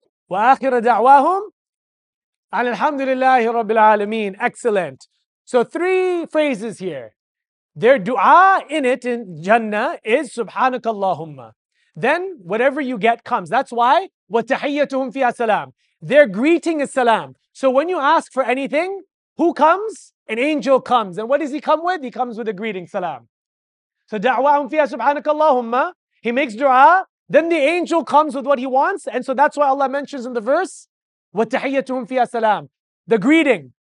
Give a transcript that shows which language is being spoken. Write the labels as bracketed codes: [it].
[ar] وَآخِرَ دَعْوَاهُمْ عَلَى الْحَمْدُ لِلَّهِ رَبِّ الْعَالَمِينَ. [en] Excellent. So three phrases here. Their dua in it, in Jannah, is [ar] سُبْحَانَكَ اللَّهُمَّ. [en] Then whatever you get comes. That's why [ar] وَتَحِيَّتُهُمْ فِيهَا سَلَامٌ. [en] Their greeting is salam. So when you ask for anything, who comes? An angel comes. And what does he come with? He comes with a greeting, salam. So [ar] دَعْوَاهُمْ فِيهَا سُبْحَانَكَ اللَّهُمَّ. [en] He makes dua. Then the angel comes with what he wants. And so that's why Allah mentions in the verse, [ar] وَتَحِيَّتُهُمْ فِيهَا سَلَامٌ. [en] The greeting.